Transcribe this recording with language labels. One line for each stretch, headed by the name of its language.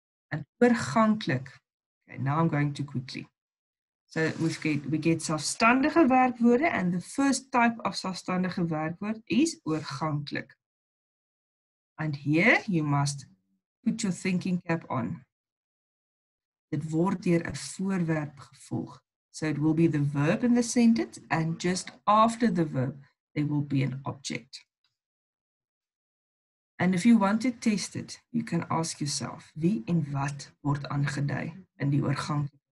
English: And oorganklik. Now I'm going too quickly. So we get zelfstandige werkwoorde, and the first type of zelfstandige werkwoord is oorganklik. And here you must put your thinking cap on.
Afrikaans: Dit word deur 'n voorwerp gevolg.
English: So it will be the verb in the sentence, and just after the verb, there will be an object. And if you want to test it, you can ask yourself, wie en wat word aangedui in die oorganklik?